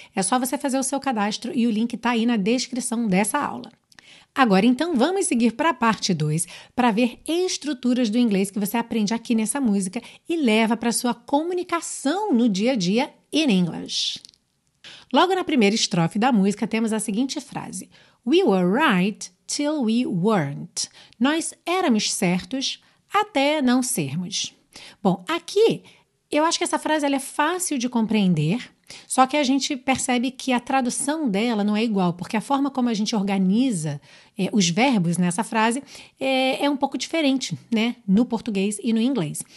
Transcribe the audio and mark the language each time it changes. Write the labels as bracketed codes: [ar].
[pt] É só você fazer o seu cadastro e o link está aí na descrição dessa aula. Agora, então, vamos seguir para a parte 2 para ver estruturas do inglês que você aprende aqui nessa música e leva para a sua comunicação no dia a dia [en] in English. [pt] Logo na primeira estrofe da música, temos a seguinte frase. [en] We were right till we weren't. [pt] Nós éramos certos até não sermos. Bom, aqui, eu acho que essa frase ela é fácil de compreender, só que a gente percebe que a tradução dela não é igual, porque a forma como a gente organiza os verbos nessa frase é um pouco diferente, né, no português e no inglês.